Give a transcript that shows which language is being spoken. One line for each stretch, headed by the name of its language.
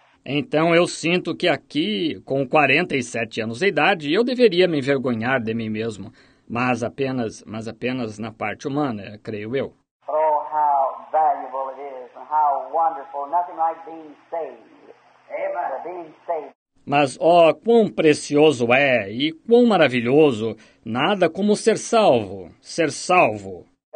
Portuguese: Então eu sinto que aqui, com 47 anos de idade, eu deveria me envergonhar de mim mesmo, mas apenas na parte humana, creio eu.
English: Oh, how valuable it is and how wonderful, nothing like being saved. Amen. Being saved.
Portuguese: Mas, oh, quão precioso é e quão maravilhoso, nada como ser salvo, ser salvo.